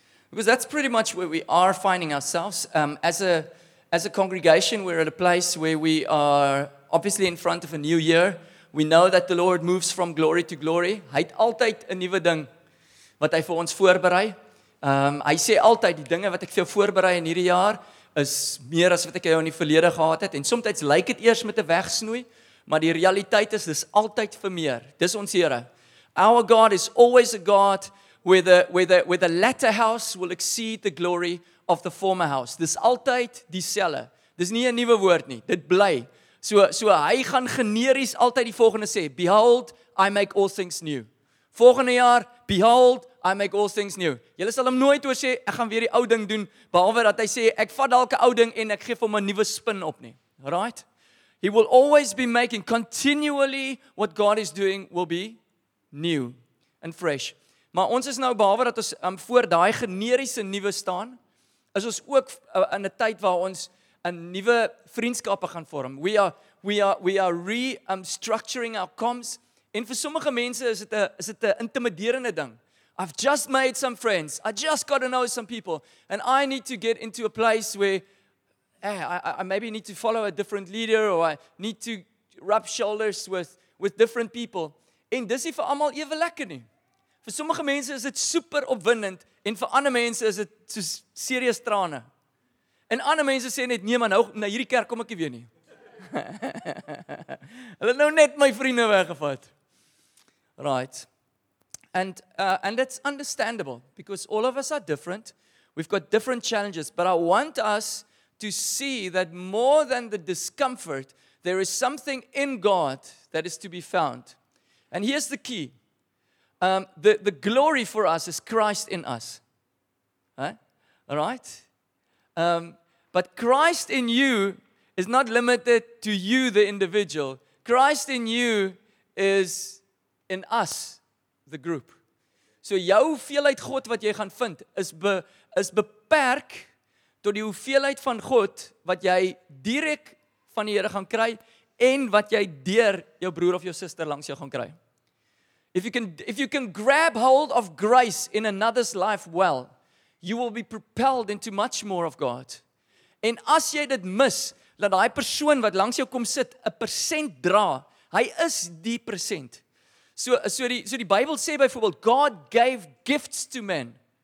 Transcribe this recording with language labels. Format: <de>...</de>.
<en>Because that's pretty much where we are finding ourselves as a congregation. We're at a place where we are obviously in front of a new year. We know that the Lord moves from glory to glory.</en> <af>Hy het altyd 'n nuwe ding wat hy vir ons voorberei. Hy sê altyd die dinge wat ek vir jou voorberei in hierdie jaar is meer as wat ek jou in die verlede gehad het, en soms lyk dit eers met 'n wegsnoei, maar die realiteit is dis altyd vir meer. Dis ons Here.</af> <en>Our God is always a God where the latter house will exceed the glory of the former house.</en> <af>Dis altyd dieselfde. Dis nie 'n nuwe woord nie. Dit bly. So hy gaan generies altyd die volgende sê:</af> <en>Behold, I make all things new.</en> <af>Volgende jaar,</af> <en>Behold, I make all things new.</en> <af>Julle sal hom nooit oor sê ek gaan weer die ou ding doen, behalwe dat hy sê ek vat dalk 'n ou ding en ek gee hom 'n nuwe spin op nie. Right?</af> <en>He will always be making continually what God is doing will be new and fresh.</en> <af>Maar ons is nou behalwe dat ons voor daai generiese nuwe staan, is ons ook in 'n tyd waar ons 'n nuwe vriendskappe gaan vorm.</af> <en>We are restructuring our comms.</en> <af>En vir sommige mense is dit 'n intimiderende ding.</af> <en>I've just made some friends. I just got to know some people. And I need to get into a place where I maybe need to follow a different leader, or I need to rub shoulders with different people.</en> <af>En dis nie vir almal ewe lekker nie. Vir sommige mense is dit super opwindend, en vir ander mense is dit so serieus trane. En ander mense sê net, nee man, nou na hierdie kerk kom ek nie weer nie. Hulle het nou net my vriende weggevat.</af> <en>Right. And it's understandable, because all of us are different. We've got different challenges. But I want us to see that more than the discomfort, there is something in God that is to be found. And here's the key. The glory for us is Christ in us. Huh? All right? But Christ in you is not limited to you, the individual. Christ in you is in us, the group.</en> <af>So jou hoeveelheid God wat jy gaan vind is beperk tot die hoeveelheid van God wat jy direk van die Here gaan kry, en wat jy deur jou broer of jou suster langs jou gaan kry.</af> <en>If you can grab hold of grace in another's life well, you will be propelled into much more of God.</en> <af>En as jy dit mis, dat daai persoon wat langs jou kom sit 'n persent dra, hy is die persent. So die Bybel sê byvoorbeeld,</af> <en>God gave gifts to men.</en>